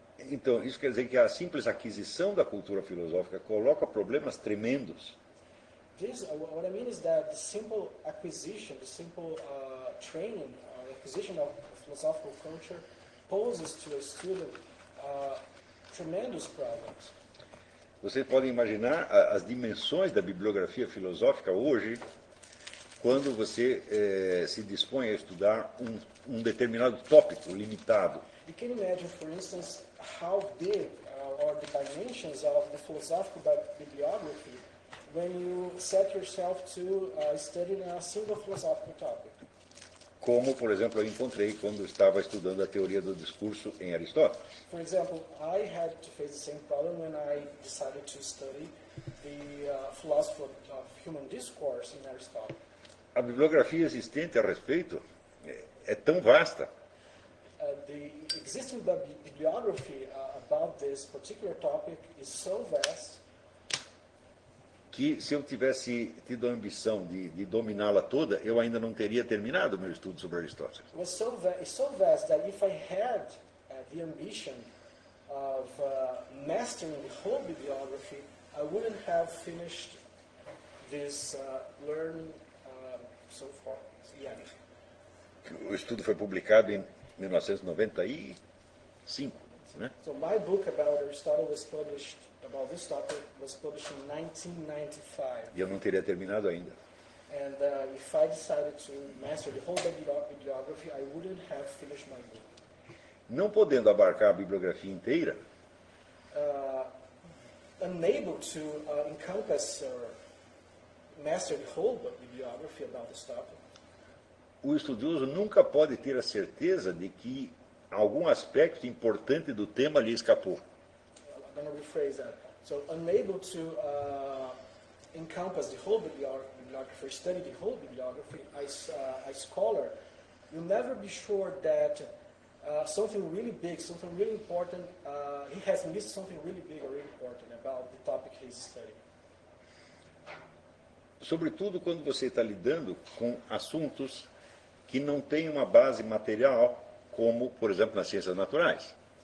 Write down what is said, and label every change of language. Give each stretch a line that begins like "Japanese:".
Portuguese: Então, isso quer dizer que a simples aquisição da cultura filosófica coloca problemas tremendos.
English: This, what I mean is that the simple acquisition, the simple training, acquisition of philosophical culture poses to a student tremendous problems.
Portuguese: Vocês podem imaginar as dimensões da bibliografia filosófica hoje, quando você se dispõe a estudar um determinado tópico limitado.
English: You can imagine, for instance, how big are the dimensions of the philosophical bibliography when you set yourself to study a single philosophical topic.
Portuguese: como, por exemplo, eu encontrei quando estava estudando a teoria do discurso em Aristóteles.
English: For example, I had to face the same problem when I decided to study the philosophy of human discourse in Aristotle.
Portuguese: A bibliografia existente a respeito é tão vasta.
English: The existing bibliography about this particular topic is so vast
Portuguese: que se eu tivesse tido a ambição de dominá-la toda, eu ainda não teria terminado meu estudo sobre Aristóteles.
English: Was so vast that if I had the ambition of mastering the whole bibliography, I wouldn't have finished this learning so far yet.
Portuguese: O estudo foi publicado em 1995, né?
English: So my book about Aristotle was published. About this topic was published in 1995.
Portuguese: E eu não teria terminado ainda.
English: And if I decided to master the whole bibliography, I wouldn't have finished my book.
Portuguese: Não podendo abarcar a bibliografia inteira.
English: Unable to encompass or master the whole bibliography about this topic.
Portuguese: O estudioso nunca pode ter a certeza de que algum aspecto importante do tema lhe escapou.
English: I'm going to rephrase that. So, unable to encompass the whole bibliography, study the whole bibliography, as a scholar, you'll never be sure that something really big, something really important, he has missed something really big or really important about the topic he's studying.
Portuguese: Sobretudo quando você está lidando com assuntos que não têm uma base material, como, por exemplo, nas ciências naturais.